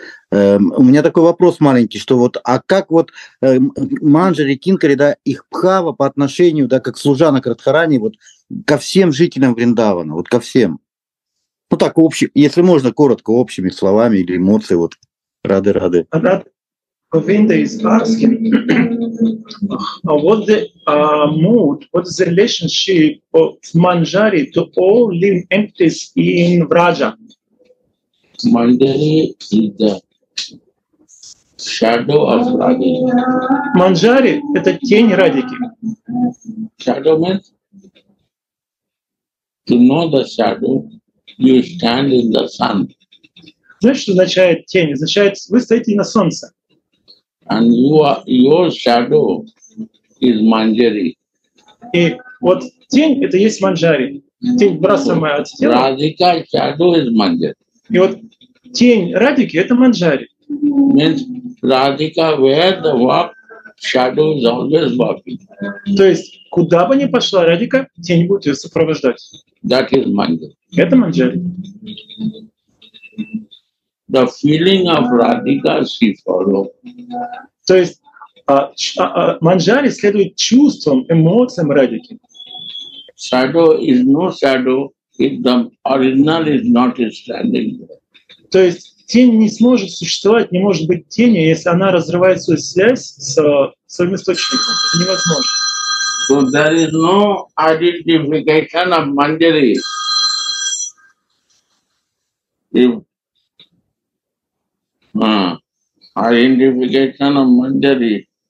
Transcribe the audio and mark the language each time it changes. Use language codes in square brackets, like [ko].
[ru] У меня такой вопрос маленький, что вот, а как вот манджари, кинкари, да, их бхава по отношению, да, как служанок Радхарани, вот ко всем жителям Вриндавана, вот ко всем? Ну так, общий, если можно, коротко, общими словами или эмоции, вот, рады-рады. [en] Govinda is asking, what the mood, what is the relationship of manjari to all living entities in Vraja? Manjari is the shadow of Radhi. [ru] Manjari — это тень Радики. [en] Shadow means to know the shadow, you stand in the sun. [ru] Знаешь, что означает тень? Означает, вы стоите на солнце. [en] And you are, your shadow is manjari. [ru] И вот тень — это есть манджари. Тень брасамая от тела. [en] Радика — shadow is manjari. [ru] И вот тень Радики — это манджари. [en] Means Radhika, where the walk, shadow is always walking. [ru] То есть, куда бы ни пошла Радика, тень будет ее сопровождать. [en] That is manjari. [ru] Это манджари. [en] The feeling of Radhika she follow. [ru] То есть, манджари следует чувствам, эмоциям Радики. [en] Shadow is no shadow, if the original is not standing there. [ru] То есть, тень не сможет существовать, не может быть тенью, если она разрывает свою связь с своим источником. Это невозможно. [en] So there is no identification of manjari. If identification of manjari